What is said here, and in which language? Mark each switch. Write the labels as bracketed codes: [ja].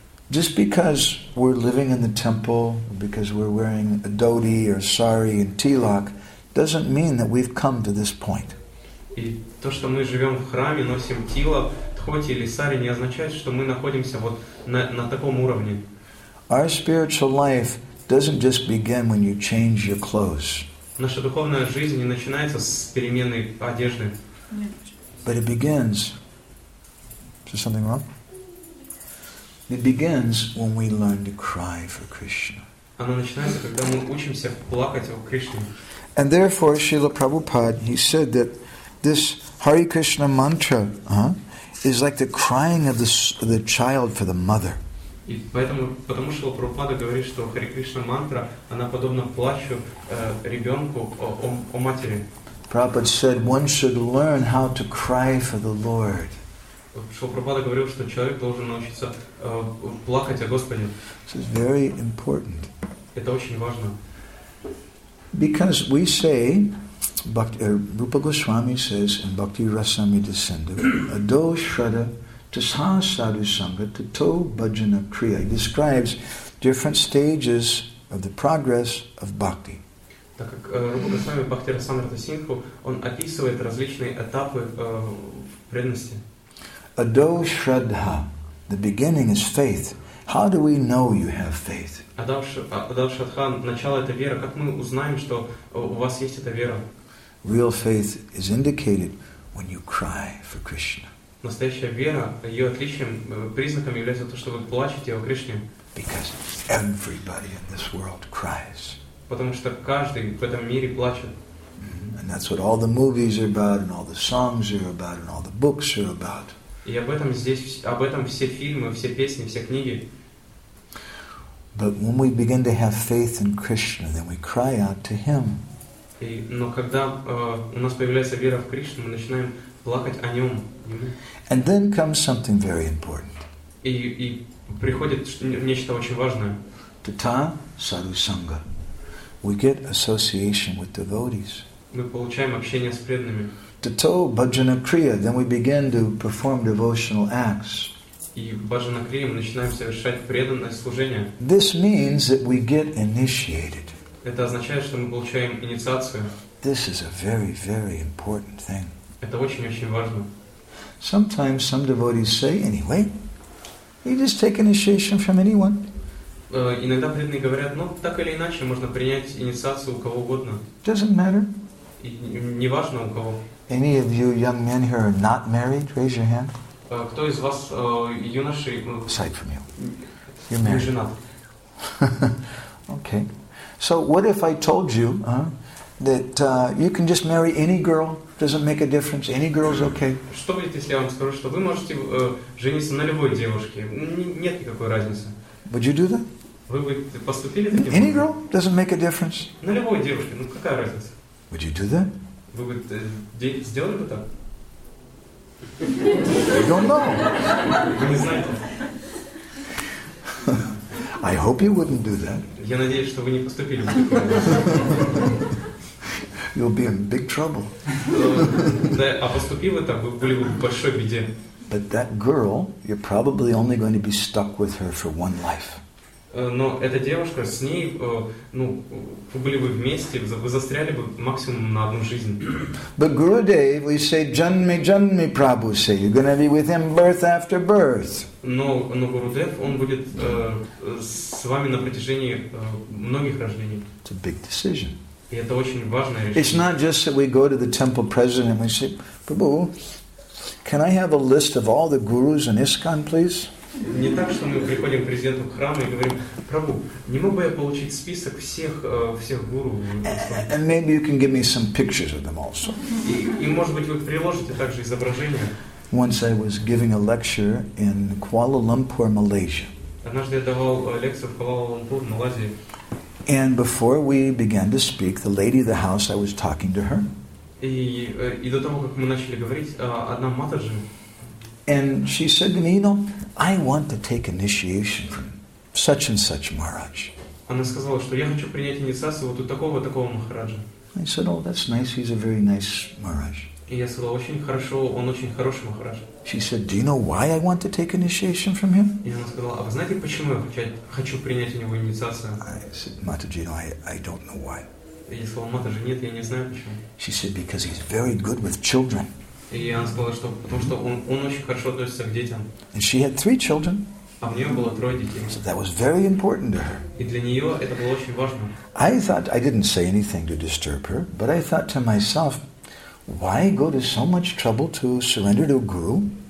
[en] Just because we're living in the temple, because we're wearing a dhoti or sari and tilak, doesn't mean that we've come to this point. [ru] И то, что мы живем в храме, носим тилак, дхоти или сари, не означает, что мы находимся вот на таком уровне. [en] Our spiritual life doesn't just begin when you change your clothes. [ru] Наша духовная жизнь не начинается с перемены одежды. [en] But it begins. Is there something wrong? It begins when we learn to cry for Krishna. [ru] Оно начинается, когда мы учимся плакать о Кришне. [en] And therefore, Srila Prabhupada, he said that this Hare Krishna mantra is like the crying of the child for the mother. [ru] И поэтому, потому что Прабхупада говорит, что Хари Кришна мантра, она подобна плачу ребенку о матери. [en] Prabhupada said one should learn how to cry for the Lord. [ru] Прабхупада говорил, что человек должен научиться плакать о Господе. [en] This is very important. [ru] Это очень важно. [en] Because we say, Rupa Goswami says in Bhakti Rasamrita Sindhu, [sa] Ado Shraddha Tasa Sadhu Sangha Tato Bhajana Kriya. [en] He describes different stages of the progress of bhakti. [ru] Так как Рупа Госвами Бхакти Расамрита Сингху, он описывает различные этапы преданности. [en] Ado Shraddha. The beginning is faith. How do we know you have faith? [ru] Ado Shraddha. Начало это вера. Как мы узнаем, что у вас есть эта вера? [en] Real faith is indicated when you cry for Krishna. [ru] Настоящая вера, ее отличием, признаком является то, что вы плачете о Кришне. [en] Because everybody in this world cries. [ru] Потому что каждый в этом мире плачет. [en] And that's what all the movies are about, and all the songs are about, and all the books are about. [ru] И об этом все фильмы, все песни, все книги. [en] But when we begin to have faith in Krishna, then we cry out to Him. [ru] Но когда у нас появляется вера в Кришну, мы начинаем плакать о Нем. [en] And then comes something very important. [ru] И приходит нечто очень важное. [sa] Tata Sadhu Sangha. [en] We get association with devotees. [ru] Мы получаем общение с преданными. [sa] Tato Bhajana Kriya. [en] Then we begin to perform devotional acts. [ru] И в Bhajana Kriya мы начинаем совершать преданное служение. [en] This means that we get initiated. [ru] Это означает, что мы получаем инициацию. [en] This is a very, very important thing. [ru] Это очень-очень важно. [en] Sometimes some devotees say, anyway, you just take initiation from anyone. [ru] Иногда преданные говорят, ну, так или иначе, можно принять инициацию у кого угодно. [en] Doesn't matter. [ru] Не важно у кого. [en] Any of you young men who are not married, raise your hand. [ru] Кто из вас юноши? [en] Aside from you. You're married. [ru] Не женат. [en] Okay. So what if I told you that you can just marry any girl? Doesn't make a difference. Any girl's okay. [ru] Что будет, если я вам скажу, что вы можете жениться на любой девушке? Нет никакой разницы. [en] Would you do that? [ru] Вы бы поступили таким образом? [en] Any girl doesn't make a difference. [ru] На любой девушке, ну какая разница? [en] Would you do that? [ru] Вы бы сделали бы так? [en] You don't know. [ru] Вы не знаете. [en] I hope you wouldn't do that. [ru] Я надеюсь, что вы не поступили. [en] You'll be in big trouble. [ru] Да, а поступив это, вы были бы в большой беде. [en] But that girl, you're probably only going to be stuck with her for one life. [ru] Но эта девушка, с ней, ну, вы были бы вместе, вы застряли бы максимум на одну жизнь. [en] But Gurudev, we say, [sa] Janme Janme Prabhu, [en] say, you're going to be with him birth after birth. [ru] Но Гурудев, он будет с вами на протяжении многих рождений. [en] It's a big decision. [ru] И это очень важное решение. [en] It's not just that we go to the temple president and we say, Prabhu, can I have a list of all the gurus in ISKCON, please? [ru] Не так, что мы приходим к президенту храма и говорим, Прабху, не мог бы я получить список всех гуру? [en] And maybe you can give me some pictures of them also. [ru] И может быть, вы приложите также изображение. [en] Once I was giving a lecture in Kuala Lumpur, Malaysia. [ru] Однажды я давал лекцию в Куала-Лумпур, Малайзии. [en] And before we began to speak, the lady of the house, I was talking to her. [ru] И до того, как мы начали говорить, одна матаджи. [en] And she said to me, you know, I want to take initiation from such and such Maharaj. [ru] Она сказала, что я хочу принять инициацию вот у такого Махараджа. [en] I said, oh, that's nice, he's a very nice Maharaj. [ru] И я сказала, очень хорошо, он очень хороший Махарадж. [en] She said, do you know why I want to take initiation from him? [ru] И она сказала, а вы знаете, почему я хочу принять у него инициацию? [en] I said, Mataji, you know, I don't know why. [ru] И я сказала, Матаджи, нет, я не знаю почему. [en] She said, because he's very good with children. [ru] И она сказала, что потому что он очень хорошо относится к детям. [en] And she had three children. [ru] А у нее было трое детей. [en] So that was very important to her. [ru] И для нее это было очень важно. [en] I thought, I didn't say anything to disturb her, but I thought to myself, why go to so much trouble to surrender to a guru?